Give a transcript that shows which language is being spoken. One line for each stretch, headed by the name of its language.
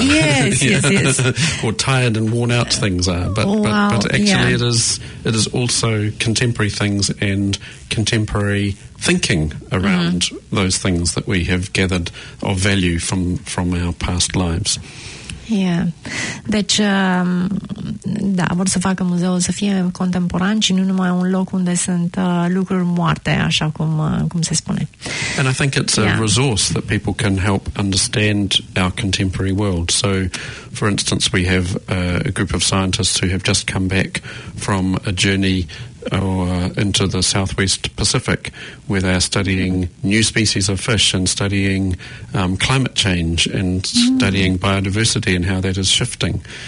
English: Yes, yes, yes. Or tired and worn out things are. But, wow, but actually, yeah, it is also contemporary things and contemporary thinking around those things that we have gathered of value from our past lives. Yeah.
Romanian: Deci, da, vor să facă muzeul să fie contemporan și nu numai un loc unde sunt lucruri moarte, așa cum se spune.
English: And I think it's a resource that people can help understand our contemporary world. So, for instance, we have a group of scientists who have just come back from a journey into the Southwest Pacific, where they are studying new species of fish and studying climate change and studying biodiversity and how that is shifting.